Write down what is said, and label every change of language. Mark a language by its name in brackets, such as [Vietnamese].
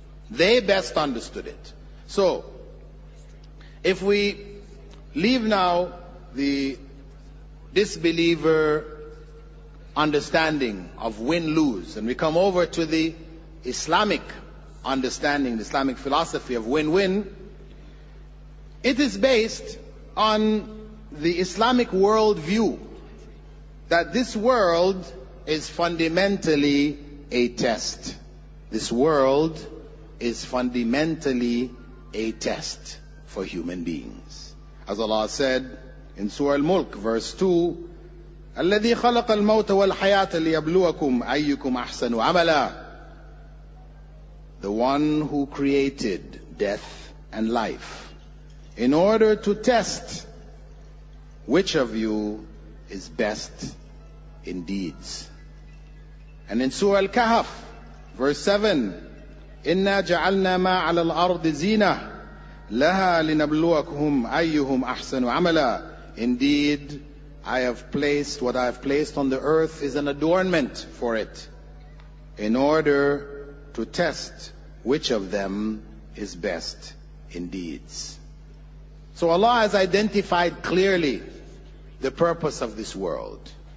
[English] They best understood it. So, if we leave now the disbeliever understanding of win-lose and we come over to the Islamic understanding, the Islamic philosophy of win-win, it is based on the Islamic worldview that this world is fundamentally a test. This world is fundamentally a test for human beings. As Allah said in Surah Al-Mulk, verse 2, [Arabic] الَّذِي خَلَقَ الْمَوْتَ وَالْحَيَاةَ لِيَبْلُوَكُمْ أَيُّكُمْ أَحْسَنُ عَمَلًا. [English] The one who created death and life in order to test which of you is best in deeds. And in Surah Al-Kahf, verse 7, [Arabic] إِنَّا جَعَلْنَا مَا عَلَى الْأَرْضِ زِينَةً لَهَا لِنَبْلُوَكُهُمْ أَيُّهُمْ أَحْسَنُ عَمَلًا. [English] Indeed, I have placed what I have placed on the earth is an adornment for it, in order to test which of them is best in deeds. So Allah has identified clearly the purpose of this world.